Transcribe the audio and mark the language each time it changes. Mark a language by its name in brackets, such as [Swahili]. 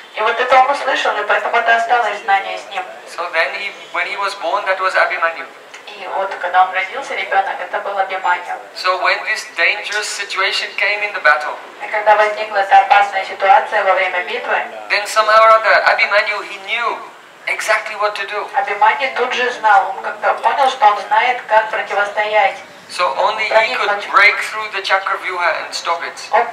[Russian] И вот это он услышал, и поэтому это осталось знание с ним. [English] So then he, when he was born, that was Abhimanyu. [Russian] И вот когда он родился, ребенок, это был Абхимания. [English] So when this dangerous situation came in the battle. [Russian] И когда возникла эта опасная ситуация во время битвы. [English] Then somehow or other, Abhimanyu, he knew exactly what to do. [Russian] Абхимания тут же знал, он как-то понял, что он знает, как противостоять. [English] So only he could break through the Chakravyuha and stop it.